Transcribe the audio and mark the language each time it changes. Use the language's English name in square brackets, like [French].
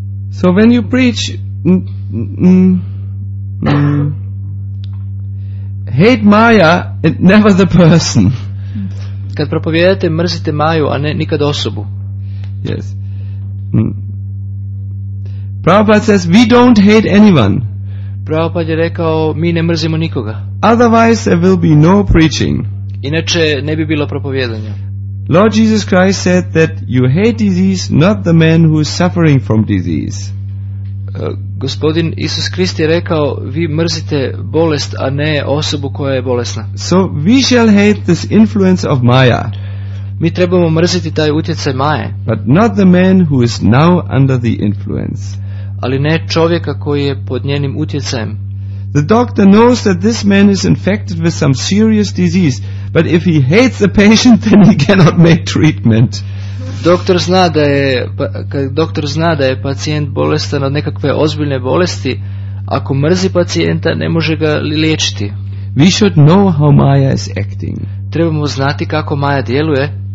[English] So when you preach hate Maya and never the person. [Croatian] Kad propovijedate mrzite Maju, a ne nikad osobu. [English] Yes. Prabhupada says we don't hate anyone. [Croatian] Prabhupada je rekao mi ne mrzimo nikoga. [English] Otherwise there will be no preaching. [Croatian] Inače ne bi bilo propovijedanja. [English] Lord Jesus Christ said that you hate disease, not the man who is suffering from disease. [Croatian] Gospodin Isus Krist je rekao vi mrzite bolest, a ne osobu koja je bolesna. [English] So we shall hate this influence of Maya. [Croatian] Mi trebamo mrziti taj utjecaj Maje. [English] But not the man who is now under the influence. [Croatian] Ali ne čovjeka koji je pod njenim utjecajem. [English] The doctor knows that this man is infected with some serious disease, but if he hates the patient, then he cannot make treatment. [Croatian] Doktor zna da je pacijent bolestan od nekakve ozbiljne bolesti, ako mrzi pacijenta, ne može ga liječiti. [English] We should know how Maya is acting. [Croatian] Trebamo znati kako Maja djeluje.